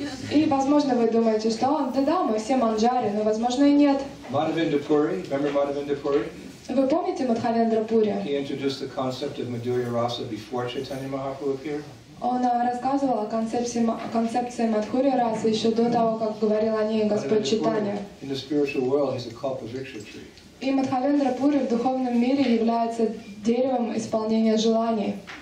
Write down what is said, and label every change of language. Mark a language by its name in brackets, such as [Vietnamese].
[Russian] И возможно вы думаете, что да, мы все манджари, но возможно и нет. [English] Madhavendra Puri, remember Madhavendra Puri? [Russian] Вы помните Мадхавендра Пури? [English] He introduced the concept of Madhurya Rasa before Chaitanya Mahaprabhu appeared. [Russian] Он рассказывал о концепции Мадхурья Расы еще до того, как говорил о ней Господь Чайтанья. [English] In the spiritual world, he's a Kalpa Viksha tree. [Russian] И Мадхавендра Пури в духовном мире является деревом исполнения желаний.